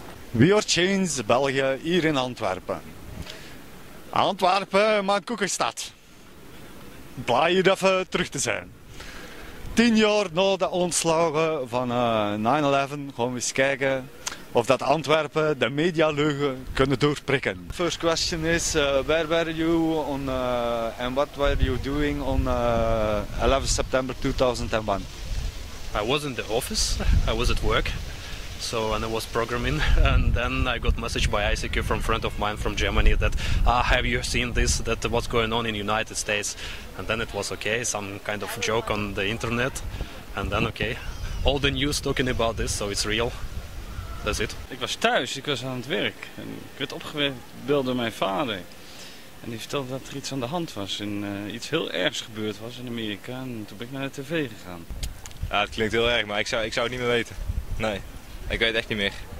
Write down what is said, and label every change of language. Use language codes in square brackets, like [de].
[nl] We Are Chains, België, hier in Antwerpen. Antwerpen, mijn koekenstad. Blij hier even terug te zijn. 10 jaar na de ontslagen van 9-11 gaan we eens kijken of dat Antwerpen de medialeugen kunnen doorprikken. [en] First question is, where were you on and what were you doing on 11 September 2001? I was in the office, I was at work. So, and I was programming, and then I got message by ICQ from a friend of mine from Germany that, have you seen this, that what's going on in United States? And then it was okay, some kind of joke on the internet, and then okay, all the news talking about this, so it's real. That's it. [nl] Ik was thuis, ik was aan het werk, en ik werd opgebeld door mijn vader. En die vertelde dat er iets aan de hand was, en iets heel ergs gebeurd was in Amerika, en toen ben ik naar de tv gegaan. Ja, het klinkt heel erg, maar ik zou het niet meer weten. Nee. Ik weet echt niet meer.